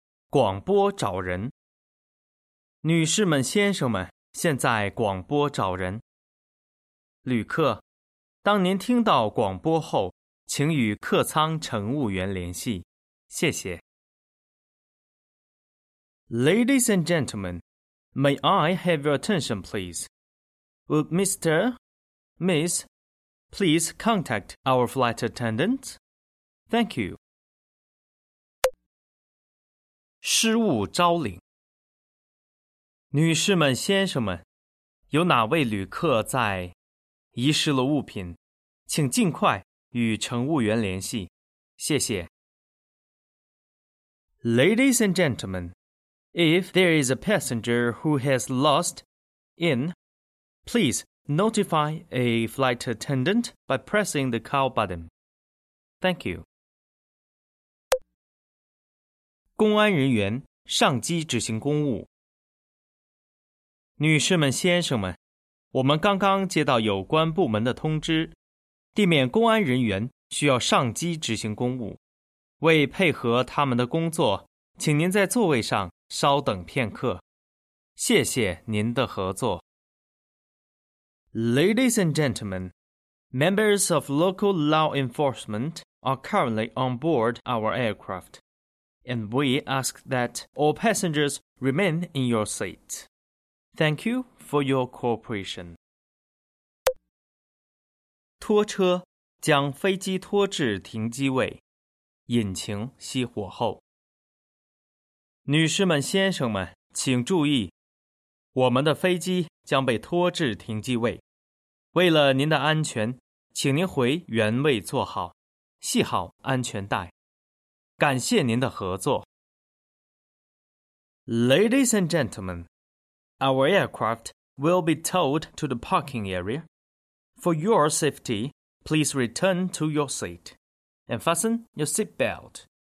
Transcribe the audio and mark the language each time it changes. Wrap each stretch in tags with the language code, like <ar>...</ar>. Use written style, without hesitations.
<zh>广播找人。女士们、先生们，现在广播找人。旅客，当您听到广播后，请与客舱乘务员联系。谢谢。</zh> <en>Ladies and gentlemen,May I have your attention, please? Would Mr. Miss please contact our flight attendant? Thank you.</en> <zh>失误招领。女士们、先生们，有哪位旅客在遗失了物品？请尽快与乘务员联系。谢谢。</zh> <en>Ladies and gentlemen,If there is a passenger who has lost in, please notify a flight attendant by pressing the call button. Thank you.</en> <zh>公安人员上机执行公务。女士们、先生们，我们刚刚接到有关部门的通知，地面公安人员需要上机执行公务。为配合他们的工作，请您在座位上稍等片刻，谢谢您的合作。</zh> <en>Ladies and gentlemen, members of local law enforcement are currently on board our aircraft, and we ask that all passengers remain in your seat. Thank you for your cooperation.</en> <zh>拖车将飞机拖至停机位，引擎熄火后。女士们、先生们，请注意，我们的飞机将被拖至停机位。为了您的安全，请您回原位坐好，系好安全带。感谢您的合作。</zh> <en>Ladies and gentlemen, our aircraft will be towed to the parking area. For your safety, please return to your seat and fasten your seat belt.</en>